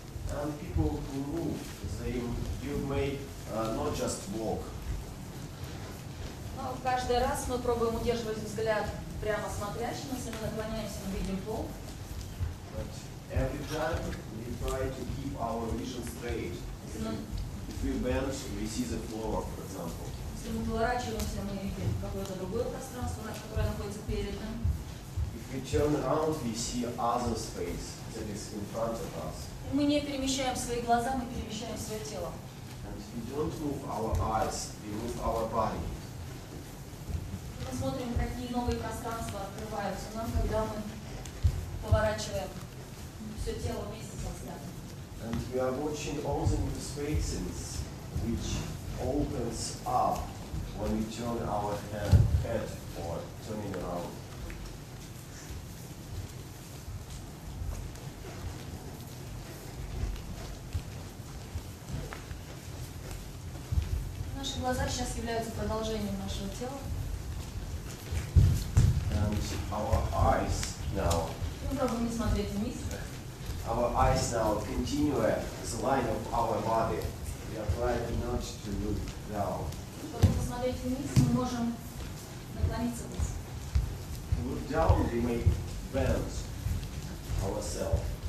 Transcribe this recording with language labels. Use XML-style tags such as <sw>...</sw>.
<en>And people who move, you may not just walk.</en> <ru>Но каждый раз мы пробуем удерживать взгляд прямо смотрящим, если мы наклоняемся, мы видим пол.</ru> <en>But every time we try to keep our vision straight. If we bend, we see the floor, for example.</en> <ru>Если мы поворачиваемся, мы видим какое-то другое пространство, которое находится перед нами.</ru> <en>We turn around, we see other space that is in front of us.</en> <ru>Мы не перемещаем свои глаза, мы перемещаем свое тело.</ru> <en>And we don't move our eyes, we move our body.</en> <ru>Мы смотрим, какие новые пространства открываются нам, когда мы поворачиваем все тело вместе со взглядом.</ru> <en>And we are watching all the new spaces which opens up when we turn our head or turning around.</en> <ru>Глаза сейчас являются продолжением нашего тела.</ru> <en>And our eyes now.</en> <ru>Мы пробуем не смотреть вниз.</ru> <en>Our eyes now continue the line of our body. We are trying not to look down.</en> <ru>Чтобы посмотреть вниз, мы можем наклониться вниз.</ru> <en>To look down, we may bend ourselves.</en>